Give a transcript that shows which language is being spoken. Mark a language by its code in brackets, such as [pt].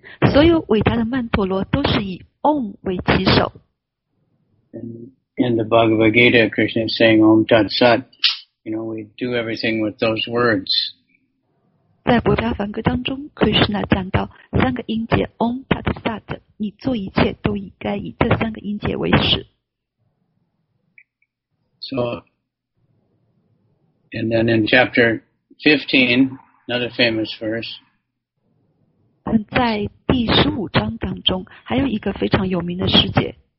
[zh] 所有伟达的曼陀罗都是以 Om 为起首。 [en] In the Bhagavad Gita, Krishna is saying Om Tat Sat. You know, we do everything with those words. [zh] 在佛家梵歌当中 ，Krishna 讲到三个音节 Om Tat Sat， 你做一切都应该以这三个音节为始。 [en] So, and then in chapter 15, another famous verse. [zh] 在第十五章当中，还有一个非常有名的诗节。